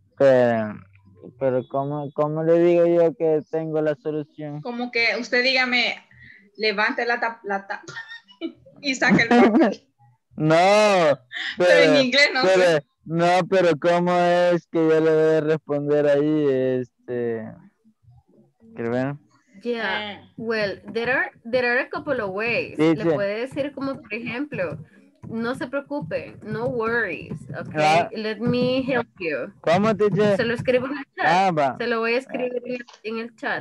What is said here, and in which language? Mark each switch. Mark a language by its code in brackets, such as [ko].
[es] Pero ¿cómo le digo yo que tengo la solución? Como que usted dígame, levante la tapa y saque el papel. No, pero en inglés no sé. No, pero ¿cómo es que yo le voy a responder ahí? ¿Quieres ver? [en] Yeah, well, there are a couple of ways. [es] Sí, le puede decir como, por ejemplo, no se preocupe, [en] no worries, okay? Let me help you. [es] ¿Cómo, teacher? Se lo escribo en el chat. Se lo voy a escribir en el chat.